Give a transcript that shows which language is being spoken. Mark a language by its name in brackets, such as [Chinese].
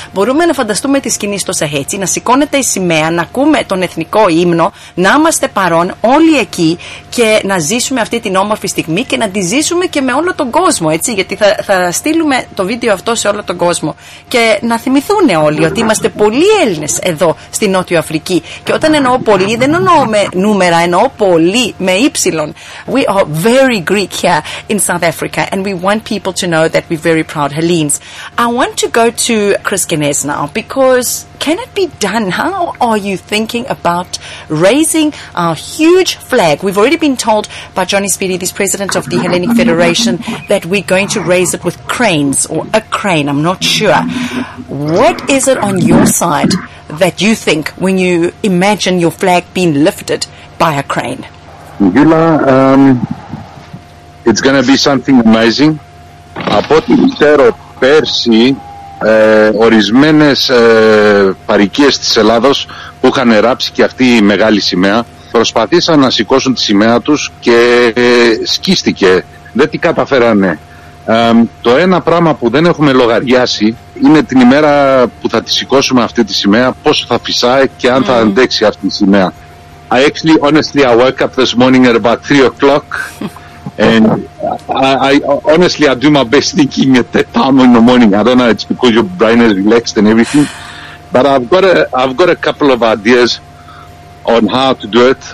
[Greek] Μπορούμε να φανταστούμε τη σκηνή στο Σαχέτσι, να σηκώνεται η σημαία, να ακούμε τον εθνικό ύμνο, να είμαστε παρόν όλοι εκεί και να ζήσουμε αυτή την όμορφη στιγμή και να τη ζήσουμε και με όλο τον κόσμο, έτσι, γιατί θα στείλουμε το βίντεο αυτό σε όλο τον κόσμο και να θυμηθούν όλοι ότι είμαστε πολλοί Έλληνες εδώ στη Νότιο Αφρική. Και όταν εννοώ πολλοί, δεν εννοώ με νούμερα, εννοώ πολλοί με ύψιλον. [English] We are very Greek here in South Africa and we want people to know that we're very proud Hellenes. I want to go to Chris Ghenes now because can it be done? How are you thinking about raising our huge flag? We've already been told by Johnny Spyridis, president of the Hellenic Federation, that we're going to raise it with cranes or a crane. I'm not sure. What is it on your side that you think when you imagine your flag being lifted by a crane? Youla, it's going to be something amazing. [Greek] Από την ξέρω πέρσι, ορισμένες παροικίες της Ελλάδος που είχαν ράψει και αυτή η μεγάλη σημαία προσπαθήσαν να σηκώσουν τη σημαία τους και σκίστηκε, δεν την καταφέρανε. Το ένα πράγμα που δεν έχουμε λογαριάσει είναι την ημέρα που θα τη σηκώσουμε αυτή τη σημαία, πόσο θα φυσάει και αν θα αντέξει αυτή η σημαία. [English] I actually, honestly, I woke up this morning at about 3 o'clock and I honestly, I do my best thinking at that time in the morning. I don't know, it's because your brain is relaxed and everything. But I've got a couple of ideas on how to do it.